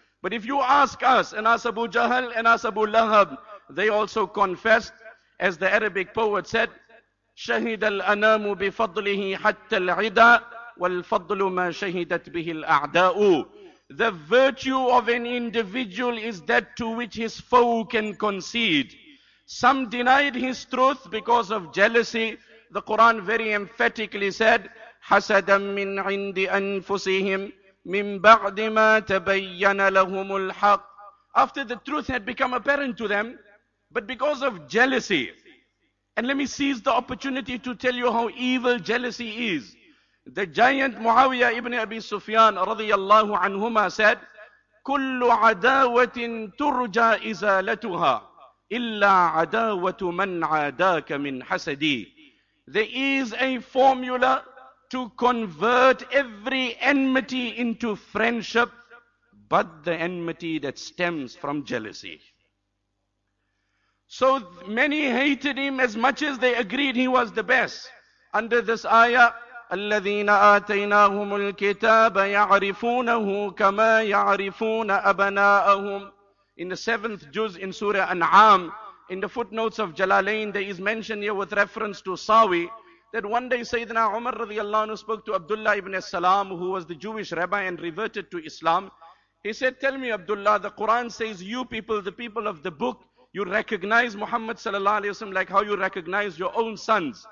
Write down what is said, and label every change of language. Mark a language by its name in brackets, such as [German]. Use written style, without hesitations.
[English] But if you ask us, and ask Abu Jahl and ask Abu Lahab, they also confessed, as the Arabic poet said, [Arabic] شهد الأنام بفضله حتى العدا والفضل ما شهدت به الأعداء. [English] The virtue of an individual is that to which his foe can concede. Some denied his truth because of jealousy. The Quran very emphatically said, [Arabic] حَسَدًا مِّنْ عِنْدِ أَنفُسِهِمْ مِّنْ بَعْدِ مَا تَبَيَّنَ لَهُمُ الْحَقِّ. [English] After the truth had become apparent to them, but because of jealousy. And let me seize the opportunity to tell you how evil jealousy is. The giant Muawiyah ibn Abi Sufyan radiyallahu anhuma said, [Arabic] كُلُّ عَدَاوَةٍ تُرْجَى إِزَالَتُهَا إِلَّا عَدَاوَةُ مَنْ عَدَاكَ مِنْ حَسَدِي. [English] There is a formula to convert every enmity into friendship, but the enmity that stems from jealousy. So many hated him as much as they agreed he was the best. Under this ayah, [Arabic] الَّذِينَ آتَيْنَاهُمُ الْكِتَابَ يَعْرِفُونَهُ كَمَا يَعْرِفُونَ أَبَنَاءَهُمْ. [English] In the seventh juz in Surah An'am, in the footnotes of Jalalain, there is mentioned here with reference to Sawi, that one day Sayyidina Umar radiallahu anhu spoke to Abdullah ibn Salam, who was the Jewish rabbi and reverted to Islam. He said, tell me, Abdullah, the Quran says you people, the people of the book, you recognize Muhammad sallallahu alayhi wa sallam like how you recognize your own sons.